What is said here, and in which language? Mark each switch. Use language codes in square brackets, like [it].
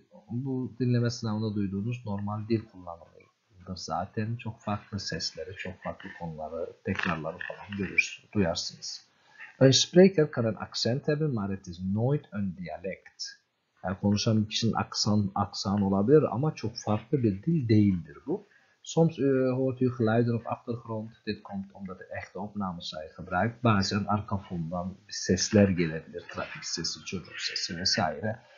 [tr] Bu dinleme sınavında duyduğunuz normal dil kullanımıdır. Zaten çok farklı sesleri, çok farklı konuları, tekrarları falan görürsünüz, duyarsınız. [nl] Een spreker kan een accent hebben, maar het is nooit een dialect. [tr] Yani konuşan bir kişinin aksan olabilir ama çok farklı bir dil değildir bu. [nl] Soms hoort u geluiden op achtergrond. Dit komt omdat de echte opnames zijn gebruikt. [tr] Bazen arka fondan sesler gelebilir. Trafik sesi, çocuk sesi vesaire.